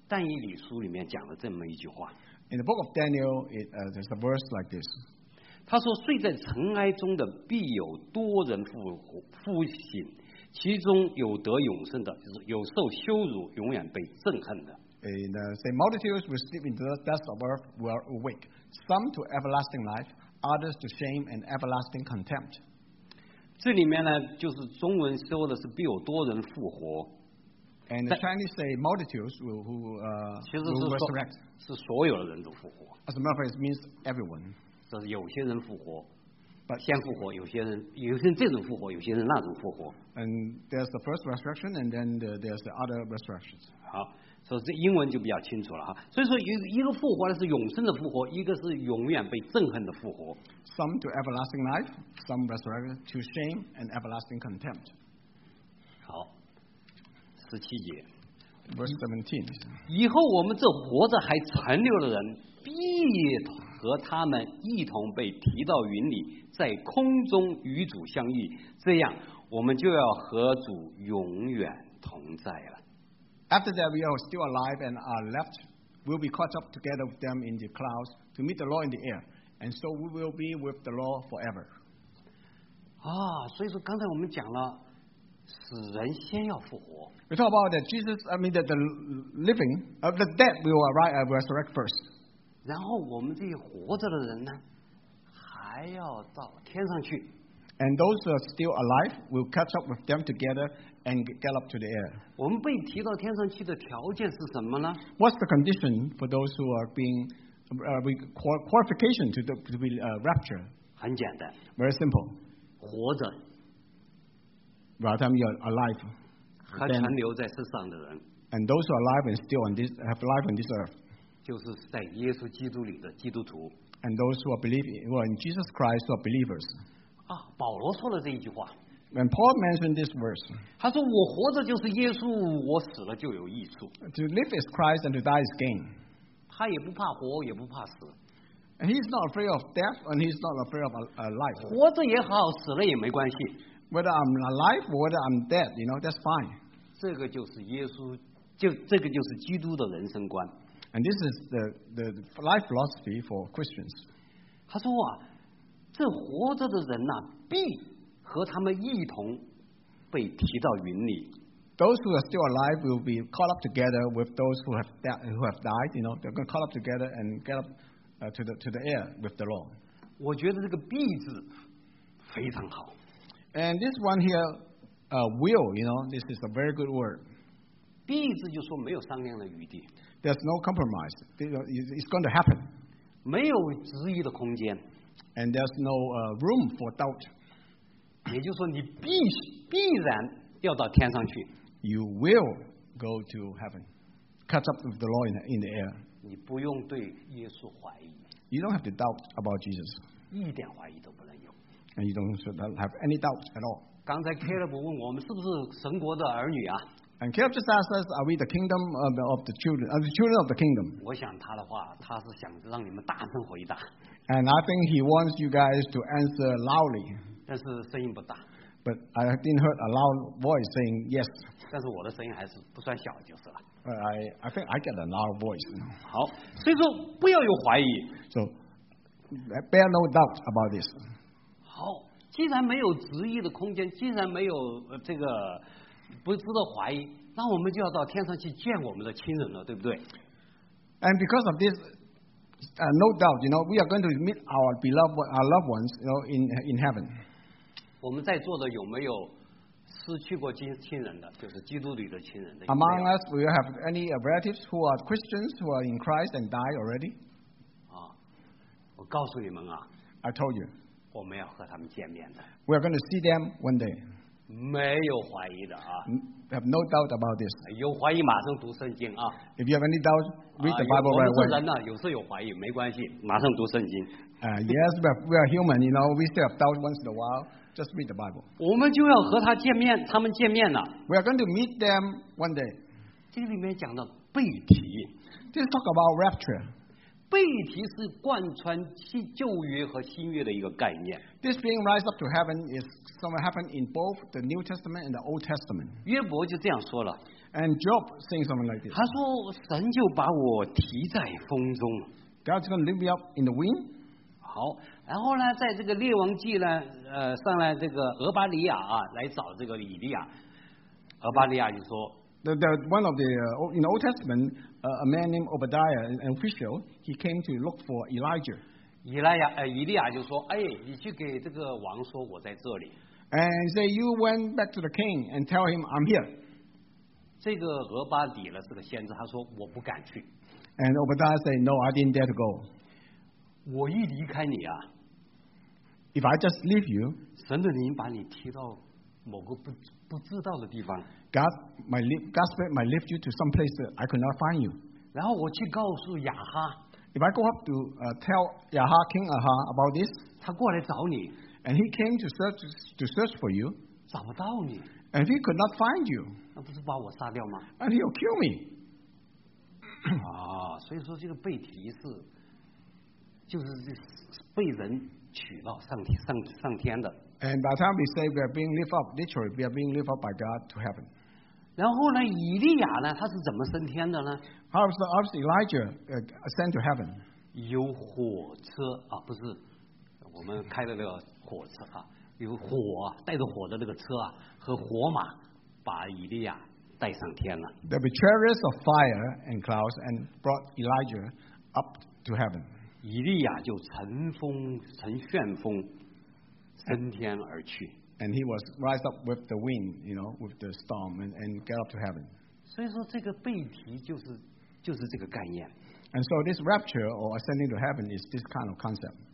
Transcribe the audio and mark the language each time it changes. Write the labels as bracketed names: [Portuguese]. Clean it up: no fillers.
[Chinese] 但是我觉得呢，这个但以理书里面讲了这么一句话。 [English] In the book of Daniel, there's a verse like this. [Chinese] 他说，睡在尘埃中的必有多人复活复醒，其中有得永生的，就是有受羞辱、永远被憎恨的。 [English] And say multitudes will sleep in the dust of earth will awake, some to everlasting life. Others to shame and everlasting contempt. [Chinese] 这里面呢，就是中文说的是必有多人复活。 [English] And the Chinese say multitudes will resurrect. [Chinese] 是所有的人都复活。 [English] As a matter of fact, it means everyone. [Chinese] 就是有些人复活，先复活；有些人这种复活，有些人那种复活。 [English] And there's the first resurrection, and then there's the other resurrections. [Chinese] 所以这英文就比较清楚了哈。所以说，一个复活的是永生的复活，一个是永远被憎恨的复活。 [English] Some to everlasting life, some resurrection to shame and everlasting contempt. [Chinese] 好，17节。 [English] Verse 17. [Chinese] 以后我们这活着还残留的人，必和他们一同被提到云里，在空中与主相遇，这样我们就要和主永远同在了。 [English] After that, we are still alive and are left. We'll be caught up together with them in the clouds to meet the Lord in the air, and so we will be with the Lord forever. [Chinese] 啊，所以说刚才我们讲了。死人先要复活。 [English] We talk about that Jesus, I mean that the living of the dead will arise and resurrect first. [Chinese] 然后我们这些活着的人呢，还要到天上去。 [English] And those who are still alive will catch up with them together and get up to the air. [Chinese] 我们被提到天上去的条件是什么呢？ [English] What's the condition for those who are being qualification to be raptured? [Chinese] 很简单。 [English] Very simple. [Chinese] 活着。 [English] By the time you are alive, and those who are alive and still on this, have life on this earth, [Chinese] 就是在耶稣基督里的基督徒, [English] and those who are in Jesus Christ who are believers. [Chinese] 啊，保罗说了这一句话。 [English] When Paul mentioned this verse, [Chinese] 他说我活着就是耶稣，我死了就有益处。 [English] To live is Christ and to die is gain. [Chinese] 他也不怕活，也不怕死。 [English] And he's not afraid of death and he's not afraid of life. [Chinese] 活着也好，死了也没关系。 [English] Whether I'm alive or whether I'm dead, you know, that's fine. [Chinese] 这个就是耶稣，就这个就是基督的人生观。 [English] And this is the life philosophy for Christians. [Chinese] 他说啊，这活着的人呐，必和他们一同被提到云里。 [English] Those who are still alive will be caught up together with those who have died. You know, they're going to caught up together and get up to the air with the Lord. [Chinese] 我觉得这个必字非常好。 [English] And this one here, will, you know, this is a very good word. [Chinese] 必字就说没有商量的余地。 [English] There's no compromise. It's going to happen. [Chinese] 没有质疑的空间。 [English] And there's no room for doubt. [Chinese] 也就是说你必然要到天上去。 [English] You will go to heaven. Catch up with the Lord in the air. [Chinese] 你不用对耶稣怀疑。 [English] You don't have to doubt about Jesus. [Chinese] 一点怀疑都不能。 [English] And you don't have any doubts at all. [Chinese] 刚才 Caleb 问我们是不是神国的儿女啊？ [English] And Caleb just asked us, are we the kingdom of the children, the children of the kingdom? [Chinese] 我想他的话，他是想让你们大声回答。 [English] And I think he wants you guys to answer loudly. [Chinese] 但是声音不大。 [English] But I didn't hear a loud voice saying yes. [Chinese] 但是我的声音还是不算小就是了。 [English] But I think I get a loud voice. [Chinese] 好，所以说不要有怀疑。 [English] So bear no doubt about this. [Chinese] 哦、既然没有质疑的空间，既然没有这个不值得怀疑，那我们就要到天上去见我们的亲人了，对不对？ [English] And because of this, no doubt, you know, we are going to meet our beloved, our loved ones, you know, in heaven. [Chinese] 我们在座的有没有失去过亲人的，就是基督里的亲人的 [English] ？Among us, we have any relatives who are Christians who are in Christ and die already? [Chinese] 啊，我告诉你们啊 [English] ，I told you. [Chinese] 我们要和他们见面的。 [English] We are going to see them one day. [Chinese] 没有怀疑的啊。 [English] Have no doubt about this. [Chinese] 有怀疑马上读圣经啊。 [English] If you have any doubt, read the Bible right away. [Chinese] 我们是人呢，有时候有怀疑，没关系，马上读圣经。 [English] Yes, we are human, you know, we still have doubt once in a while. Just read the Bible. [Chinese] 我们就要和他见面，他们见面了。 [English] We are going to meet them one day. [Chinese] 这里面讲的被提。 [English] This talk about rapture. [Chinese] 被提是贯穿旧约和新约的一个概念。 [English] This being rise up to heaven is something happened in both the New Testament and the Old Testament. [Chinese] 约伯就这样说了。 [English] And Job saying something like this. [Chinese] 他说神就把我提在风中。 [English] God's going to lift me up in the wind. [Chinese] 好，然后呢，在这个列王记呢，上来这个俄巴里亚啊，来找这个以利亚。俄巴里亚就说。 [English] The one of the in the Old Testament, a man named Obadiah, an official, he came to look for Elijah. [Chinese] Elijah 就说，哎，你去给这个王说，我在这里。 [English] And say you went back to the king and tell him I'm here. [Chinese] 这个俄巴底呢是个先知，他说我不敢去。 [English] And Obadiah said, No, I didn't dare to go. [Chinese] 我一离开你啊 [English] ，If I just leave you, [Chinese] 神的灵把你提到某个不知道的地方。 [English] God might lift you to some place that I could not find you. [Chinese] 然后我去告诉亚哈。 [English] If I go up to tell Yaha, King Ahab about this, [Chinese] 他过来找你。 [English] And he came to search for you. [Chinese] 找不到你。 [English] And he could not find you. [Chinese] 那不是把我杀掉吗？ [English] And he'll kill me. [Chinese] 啊，所以说这个被提是，就是被人取到上天的。 [English] And by the time we say we are being lifted up, literally we are being lifted up by God to heaven. [Chinese] 然后呢，以利亚呢，他是怎么升天的呢？ [English] How does Elijah ascend to heaven? [Chinese] 有火车啊，不是我们开的那个火车啊，有火带着火的那个车啊，和火马把以利亚带上天了。 [English] There were chariots of fire and clouds and brought Elijah up to heaven. [Chinese] 以利亚就乘风乘旋风。升天而去 [English] and he was rise up with the wind, you know, with the storm, and get up to heaven. [Chinese] 所以说这个被提就是这个概念 [English] and so this rapture or ascending to heaven is this kind of concept.